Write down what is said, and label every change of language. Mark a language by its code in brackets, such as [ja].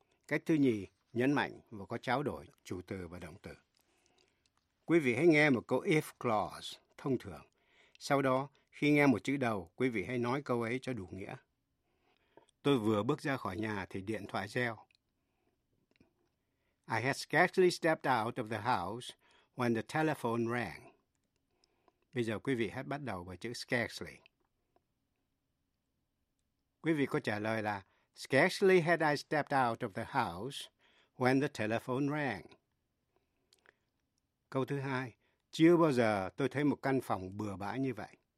[vi] Cách thứ nhì, nhấn mạnh và có trao đổi chủ từ và động từ. Quý vị hãy nghe một câu if clause thông thường. Sau đó, khi nghe một chữ đầu, quý vị hãy nói câu ấy cho đủ nghĩa. Tôi vừa bước ra khỏi nhà thì điện thoại reo. [en] I had scarcely stepped out of the house when the telephone rang. [vi] Bây giờ quý vị hãy bắt đầu bởi chữ scarcely. Quý vị có trả lời là [en] scarcely had I stepped out of the house when the telephone rang. [vi] Câu thứ hai, chưa bao giờ tôi thấy một căn phòng bừa bãi như vậy.